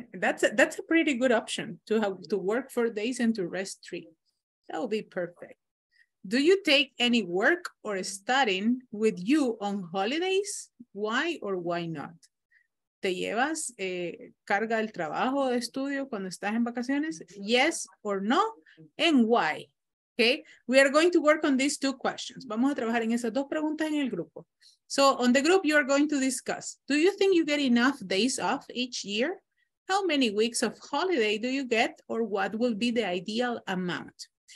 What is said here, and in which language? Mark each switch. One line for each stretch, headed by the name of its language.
English: That's a pretty good option to have to work 4 days and to rest three. That would be perfect. Do you take any work or studying with you on holidays? Why or why not?
Spanish: ¿Te llevas carga del trabajo de estudio cuando estás en vacaciones?
English: Yes or no, and why? Okay, we are going to work on these two questions.
Spanish: Vamos a trabajar en esas dos preguntas en el grupo.
English: So on the group, you are going to discuss, do you think you get enough days off each year? How many weeks of holiday do you get, or what will be the ideal amount?